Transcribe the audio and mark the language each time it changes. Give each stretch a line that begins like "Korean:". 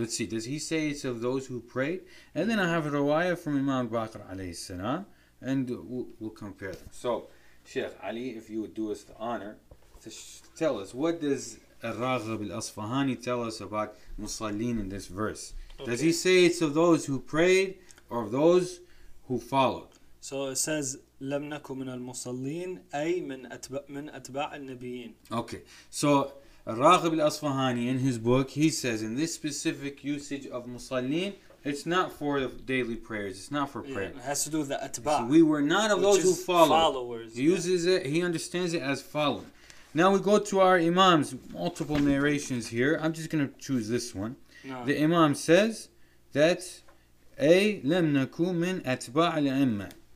English: Let's see. Does he say it's of those who pray? And then I have a rawayah from Imam Baqir alayhi salam. And we'll compare them. So, Sheikh Ali, if you would do us the honor to tell us, what does Al-Raghib al-Asfahani tell us about Musallin in this verse? Okay. Does he say it's of those who prayed or of those who followed? So it says,
Arabic: لم نكن من المصلين أي من أتباع النبيين.
English: Okay, so Raghib al-Asfahani in his book, he says in this specific usage of مصلين, it's not for the daily prayers, it's not for prayer. Yeah, it has to do with the أتباع. So we were not of those who followed. Followers. He uses it, he understands it as following. Now we go to our imams, multiple narrations here. I'm just going to choose this one. No. The imam says that
Arabic: أي لم نكن من أتباع الأئمة.